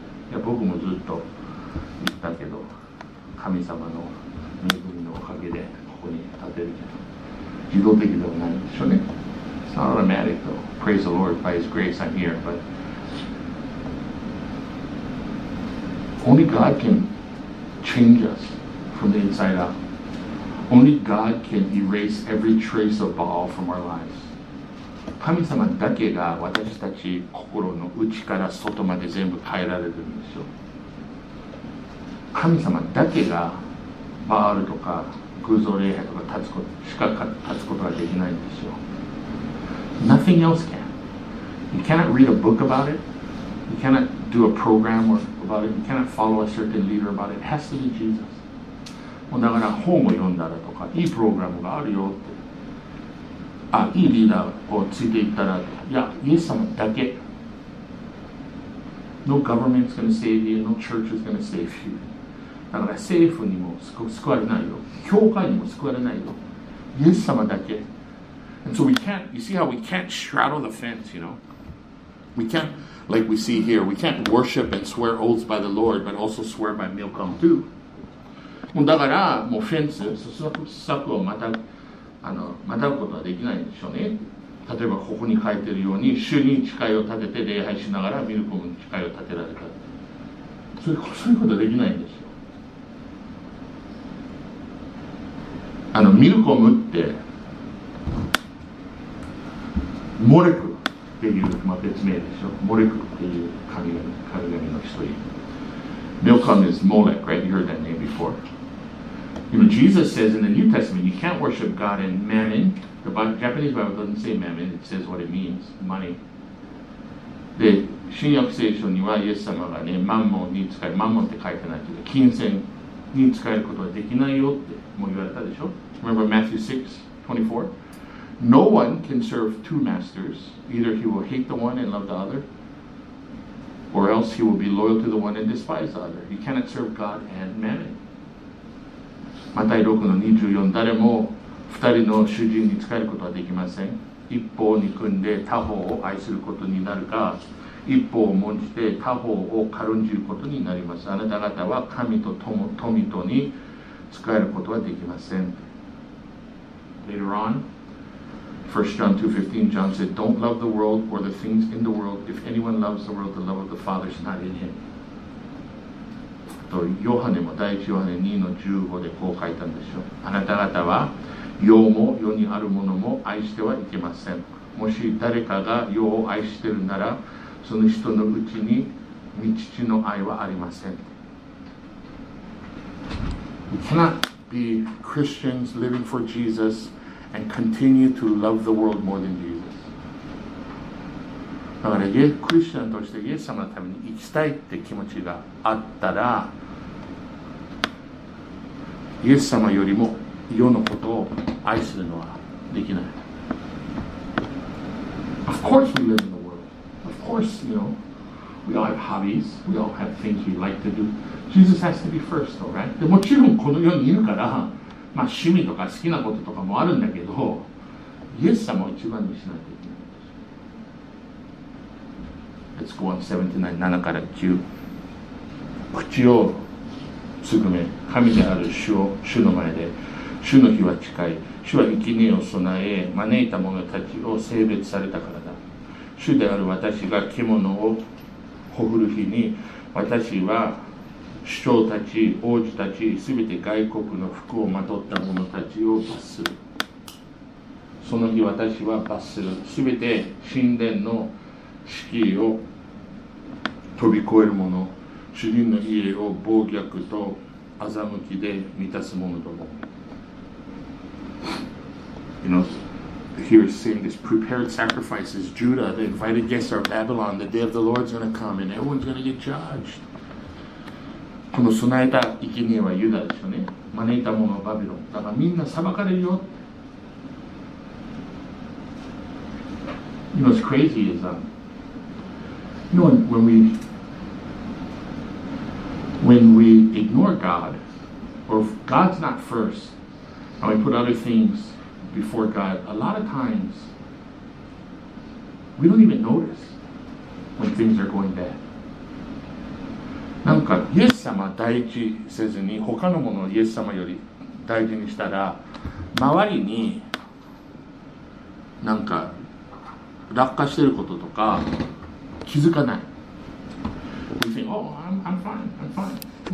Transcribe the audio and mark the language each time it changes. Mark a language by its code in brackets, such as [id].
[ja] いや、僕もずっと行ったけど、神様の恵みのおかげでここに立てるけど、自動的ではないんでしょうね。 [en] It's not automatic though. Praise the Lord, by His grace I'm here, but... Only God can change us from the inside out. Only God can erase every trace of Baal from our lives. [ja] 神様だけが私たち心の内から外まで全部変えられるんですよ。神様だけがバールとか偶像礼拝とか立つことしか立つことができないんですよ。 [en] Nothing else can. You cannot read a book about it. You cannot do a program or... About it. You cannot follow a certain leader about it. It has to be Jesus. [ja] だから本を読んだらとか、いいプログラムがあるよって、いいリーダーをついていったら、いや、イエス様だけ。 [en] No government's going to save you. No church is going to save you. [ja] だから政府にも救われないよ。教会にも救われないよ。イエス様だけ。 [en] And so we can't, you see how we can't straddle the fence, you know? We can't. Like we see here, we can't worship and swear oaths by the Lord, but also swear by milk and honey too. [ja] だからもうフェンス、そそく、そそくをまた、またうことはできないんでしょうね。例えばここに書いてるように、主に誓いを立てて礼拝しながらミルコムに誓いを立てられた。そういうことはできないんですよ。ミルコムって、モレクっていう、別名でしょ。モレクっていう神々の一人。 [en] Milcom is Molech, right? You heard that name before. You know, Jesus says in the New Testament, you can't worship God and mammon. The Japanese Bible doesn't say mammon. It says what it means, money. [ja] で、新約聖書にはイエス様がね、マンモンに使える、マンモンって書いてないけど、金銭に使えることはできないよってもう言われたでしょ。 [en] Remember Matthew 6:24? No one can serve two masters. Either he will hate the one and love the other, or else he will be loyal to the one and despise the other. He cannot serve God and mammon. [ja] Matthew 6:24, 誰も二人の主人に仕えることはできません。一方に憎んで他方を愛することになるか、一方を重んじて他方を軽んじることになります。あなた方は神と富とに仕えることはできません。 [en] Later on,1 John 2:15, John said, Don't love the world or the things in the world. If anyone loves the world, the love of the Father is not in him. [ja] とヨハネも第1ヨハネ 2:15 でこう書いたんでしょう。あなた方は、世も世にあるものも愛してはいけません。もし誰かが世を愛してるなら、その人のうちにに父の愛はありません。 [en] We cannot be Christians living for Jesus and continue to love the world more than Jesus. [ja] だからクリスチャンとしてイエス様のために生きたいって気持ちがあったら、イエス様よりも世のことを愛するのはできない。 [en] Of course we live in the world. Of course, you know, we all have hobbies. We all have things we like to do. Jesus has to be first, though, right? [ja] でもちろんこの世にいるから、まあ趣味とか好きなこととかもあるんだけど、イエス様を一番にしないといけない。 [en] Let's go on 79, [ja] 7から9。口をつぐめ、神である主を、主の前で、主の日は近い。主は生贄を備え、招いた者たちを聖別されたからだ。主である私が獣をほふる日に、私は首長たち、王子たち、すべて外国の服をまとった者たちを罰する。その日私は罰する。すべて神殿の敷居を飛び越える者、主人の家を暴虐と欺きで満たす者とも。 [en] You know, here is saying this prepared sacrifices. Judah, the invited guests are Babylon. The day of the Lord is going to come and everyone's going to get judged. [ja] この備えた生贄はユダでしょうね。招いたものはバビロン。だからみんな裁かれるよ。 [en] You know, what's crazy is, when we ignore God, or if God's not first, and we put other things before God, a lot of times we don't even notice when things are going bad. [ja] なんかイエス様第一せずに他のものをイエス様より大事にしたら、周りになんか落下していることとか気づかない。 [en] We think, oh, I'm fine.